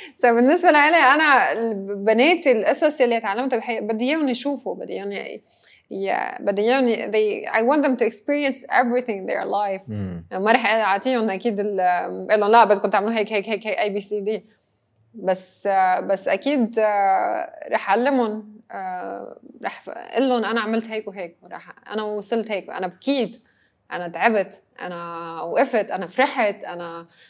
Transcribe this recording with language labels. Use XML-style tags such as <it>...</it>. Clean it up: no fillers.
<ar>So بالنسبة لي أنا بنيت الأساس اللي تعلمته بدي إياهم يشوفوا بدي إياهم يعني.</ar> <en>Yeah, but they, you know, they, I want them to experience everything in their life.</en> <ar>ما رح أعطيهم أكيد إلا لا بدكم تعملوا هيك هيك هيك A B C D. بس أكيد رح أعلمهم رح أقول لهم أنا عملت هيك وهيك ورح أنا وصلت هيك أنا بكيت أنا تعبت أنا وقفت أنا فرحت أنا</ar>